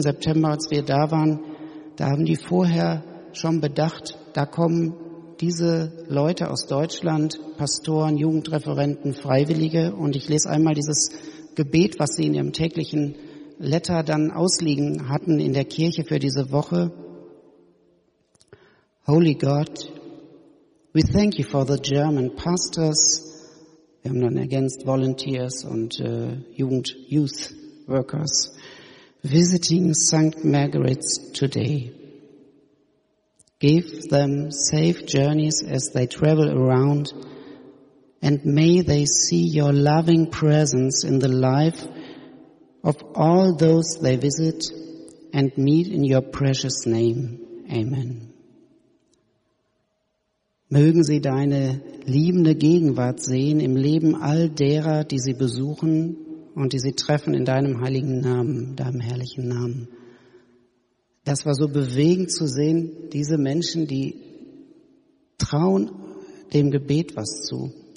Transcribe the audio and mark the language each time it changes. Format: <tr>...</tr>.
<de>September, als wir da waren, da haben die vorher schon bedacht, da kommen diese Leute aus Deutschland, Pastoren, Jugendreferenten, Freiwillige. Und ich lese einmal dieses Gebet, was sie in ihrem täglichen Letter dann ausliegen hatten in der Kirche für diese Woche.</de> <en>Holy God, we thank you for the German pastors.</en> <de>Wir haben dann ergänzt</de> <en>Volunteers</en> <de>und</de> <en>Youth Workers. Visiting St. Margaret's today. Give them safe journeys as they travel around, and may they see your loving presence in the life of all those they visit and meet in your precious name. Amen.</en> <de>Mögen sie deine liebende Gegenwart sehen im Leben all derer, die sie besuchen und die sie treffen in deinem heiligen Namen, deinem herrlichen Namen. Das war so bewegend zu sehen, diese Menschen, die trauen dem Gebet was zu.</de>